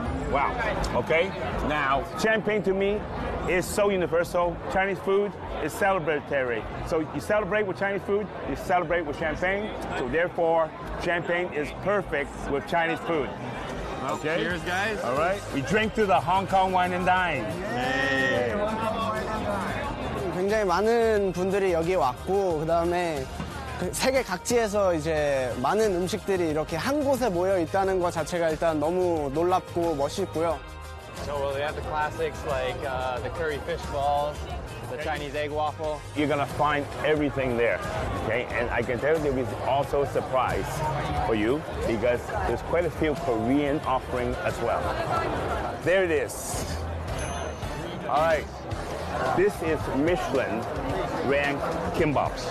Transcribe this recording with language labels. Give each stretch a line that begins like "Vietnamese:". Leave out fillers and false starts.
English: Wow. Okay. Now, champagne to me is so universal. Chinese food is celebratory. So you celebrate with Chinese food, you celebrate with champagne. So therefore, champagne is perfect with Chinese food. Okay. Cheers, guys. All right. We drink to the Hong Kong Wine and Dine. Yay.
Korean: 굉장히 많은 분들이 여기 왔고 그다음에 세계 각지에서 이제 많은 음식들이 이렇게 한 곳에 모여 있다는 것 자체가 일단 너무 놀랍고 멋있고요.
English: So, well, they have the classics like the curry fish balls, the Chinese egg waffle. You're going to find everything there, okay? And I can tell you there is also a surprise for you because there's quite a few Korean offerings as well. There it is. All right. This is Michelin-ranked kimbaps.